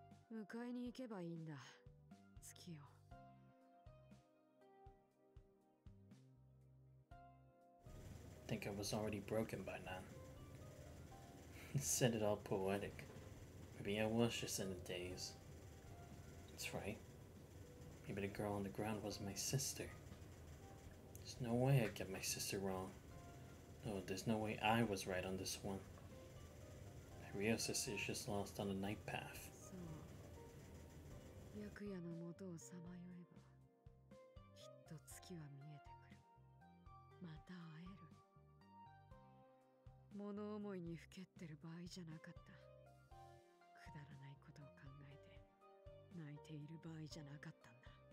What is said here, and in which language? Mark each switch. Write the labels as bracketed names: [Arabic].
[Japanese] 迎えに行けばいいんだ、月よ。 [English] I think I was already broken by now. Said it all poetic. Maybe I was just in a daze. That's right. Maybe the girl on the ground was my sister. There's no way I'd get my sister wrong. No, there's no way I was right on this one. My real sister is just lost on the night path. [Japanese] 白夜の元をさまよえば、きっと月は見えてくる。また会える。物思いにふけってる場合じゃなかった。くだらないことを考えて、泣いている場合じゃなかったんだ。